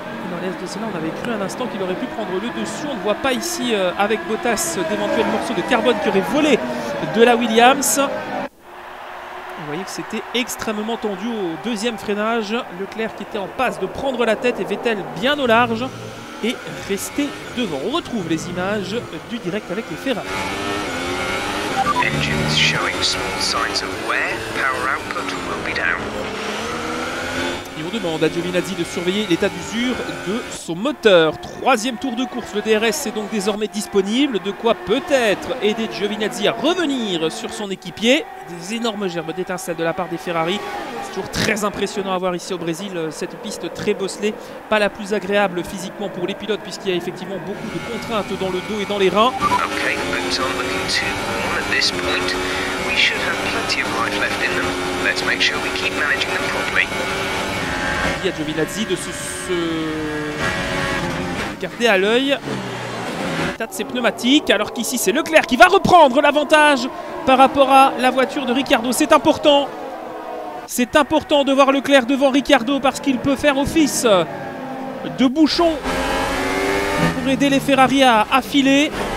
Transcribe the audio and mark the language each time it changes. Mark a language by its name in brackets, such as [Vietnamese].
[French] Dans l'est de cela, on avait cru un instant qu'il aurait pu prendre le dessus. On ne voit pas ici avec Bottas d'éventuels morceaux de carbone qui auraient volé de la Williams. Vous voyez que c'était extrêmement tendu au deuxième freinage. Leclerc qui était en passe de prendre la tête et Vettel bien au large et resté devant. On retrouve les images du direct avec les Ferrari. [English] Engines showing small signs of wear. Power output will be down. [French] Et on demande à Giovinazzi de surveiller l'état d'usure de son moteur. Troisième tour de course, le DRS est donc désormais disponible. De quoi peut-être aider Giovinazzi à revenir sur son équipier. Des énormes gerbes d'étincelles de la part des Ferrari. C'est toujours très impressionnant à voir ici au Brésil cette piste très bosselée. Pas la plus agréable physiquement pour les pilotes puisqu'il y a effectivement beaucoup de contraintes dans le dos et dans les reins. [English] Ok, Mouton looking too warm at this point. We should have plenty of life left in them. Let's make sure we keep managing them properly. [French] À Giovinazzi de se garder à l'œil l'état de ses pneumatiques alors qu'ici c'est Leclerc qui va reprendre l'avantage par rapport à la voiture de Ricciardo. C'est important C'est important de voir Leclerc devant Ricciardo parce qu'il peut faire office de bouchon pour aider les Ferrari à affiler.